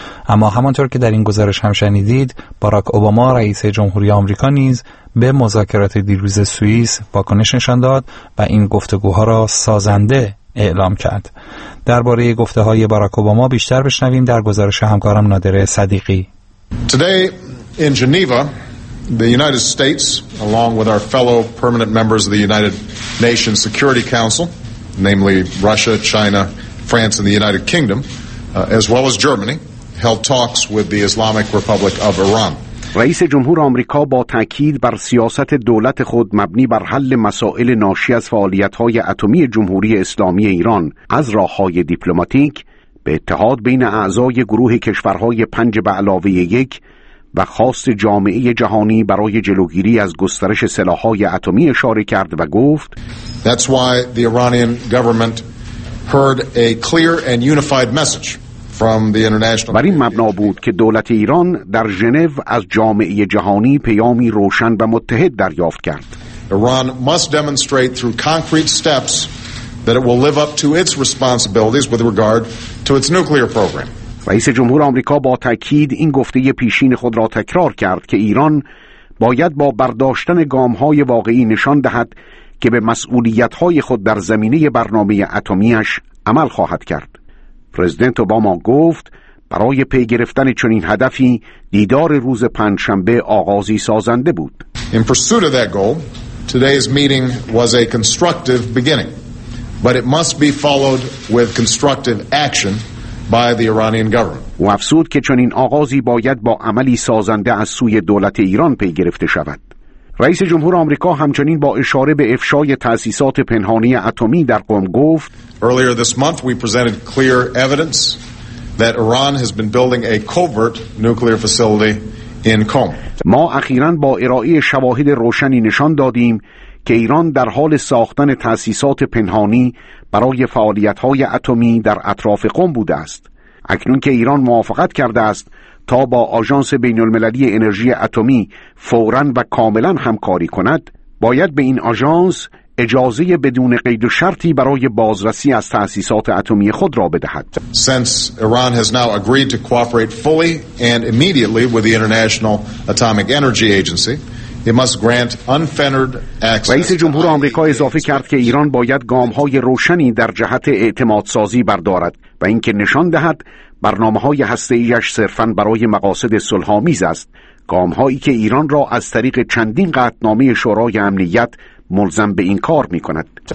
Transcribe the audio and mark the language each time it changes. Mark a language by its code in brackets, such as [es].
[fa] اما همانطور که در این گزارش هم شنیدید، باراک اوباما رئیس جمهوری آمریکا نیز به مذاکرات دیروز سوئیس واکنش نشان داد و این گفتگوها را سازنده اعلام کرد. درباره گفته‌های باراک اوباما بیشتر بشنویم در گزارش همکارم نادر صدیقی. [en] Today in Geneva, the United States along with our fellow permanent members of the United Nations Security Council, namely Russia, China, France and the United Kingdom, as well as Germany, held talks with the Islamic Republic of Iran. [fa] رئیس جمهور آمریکا با تأکید بر سیاست دولت خود مبنی بر حل مسائل ناشی از فعالیت‌های اتمی جمهوری اسلامی ایران از راه‌های دیپلماتیک به اتحاد بین اعضای گروه کشورهای 5+1 و خواست جامعه جهانی برای جلوگیری از گسترش سلاح‌های اتمی اشاره کرد و گفت [en] That's why the Iranian government heard a clear and unified message. [fa] بر این مبنا بود که دولت ایران در ژنو از جامعه جهانی پیامی روشن و متحد دریافت کرد. [en] Iran must demonstrate through concrete steps that it will live up to its responsibilities with regard to its nuclear program. [fa] رئیس جمهور آمریکا با تأکید این گفته پیشین خود را تکرار کرد که ایران باید با برداشتن گام‌های واقعی نشان دهد که به مسئولیت‌های خود در زمینه برنامه اتمی‌اش عمل خواهد کرد. پرزیدنت اوباما گفت برای پی گرفتن چنین هدفی دیدار روز پنجشنبه آغازی سازنده بود. [en] In pursuit of that goal, today's meeting was a constructive beginning, but it must be followed with constructive action by the Iranian government. [fa] او افزود که چنین آغازی باید با عملی سازنده از سوی دولت ایران پی گرفته شود. رئیس جمهور آمریکا همچنین با اشاره به افشای تأسیسات پنهانی اتمی در قم گفت: [en] Earlier this month we presented clear evidence that Iran has been building a covert nuclear facility in Qom. [fa] ما اخیراً با ارائه شواهد روشنی نشان دادیم که ایران در حال ساختن تأسیسات پنهانی برای فعالیت‌های اتمی در اطراف قم بوده است. اکنون که ایران موافقت کرده است تا با آژانس بین‌المللی انرژی اتمی فوراً و کاملاً همکاری کند، باید به این آژانس اجازه بدون قید و شرطی برای بازرسی از تأسیسات اتمی خود را بدهد. [en] Since Iran has now agreed to cooperate fully and immediately with the International Atomic Energy Agency, it must grant unfettered access. [fa] رئیس جمهور آمریکا اضافه کرد که ایران باید گام‌های روشنی در جهت اعتمادسازی بردارد و اینکه نشان دهد برنامه‌های هسته‌ای‌اش صرفاً برای مقاصد صلح‌آمیز است، گام‌هایی که ایران را از طریق چندین قطعنامه شورای امنیت ملزم به این کار می‌کند.